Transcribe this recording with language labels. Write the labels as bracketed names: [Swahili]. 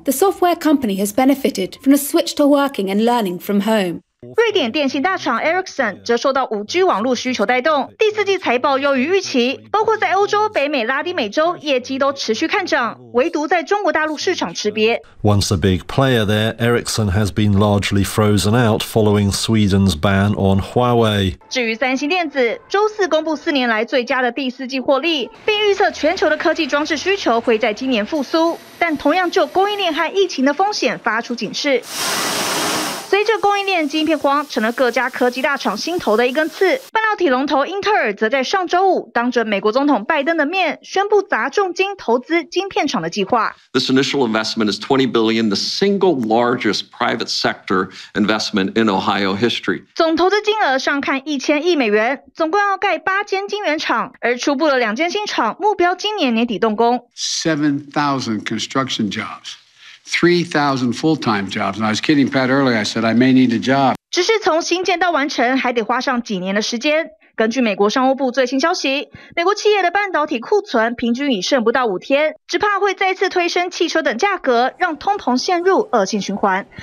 [English] The software company has benefited from a switch to working and learning from home. [Chinese] 瑞典电信大厂 Ericsson 则受到 5G 网络需求带动，第四季财报优于预期，包括在欧洲、北美、拉丁美洲业绩都持续看涨，唯独在中国大陆市场吃瘪。 [English] Once a big player there, Ericsson has been largely frozen out following Sweden's ban on Huawei. [Chinese] 至于三星电子，周四公布四年来最佳的第四季获利，并预测全球的科技装置需求会在今年复苏，但同样就供应链和疫情的风险发出警示。随着供应链晶片荒成了各家科技大厂心头的一根刺，半导体龙头英特尔则在上周五当着美国总统拜登的面宣布砸重金投资晶片厂的计划。 [English] This initial investment is $20 billion, the single largest private sector investment in Ohio history. [Chinese] 总投资金额上看$1000亿，总共要盖8间晶圆厂，而初步的2间新厂目标今年年底动工。 [English] 7,000 construction jobs. 3,000 full-time jobs. And I was kidding Pat earlier. I said I may need a job. [Chinese] 只是从新建到完成，还得花上几年的时间。根据美国商务部最新消息，美国企业的半导体库存平均已剩不到5天，只怕会再次推升汽车等价格，让通膨陷入恶性循环。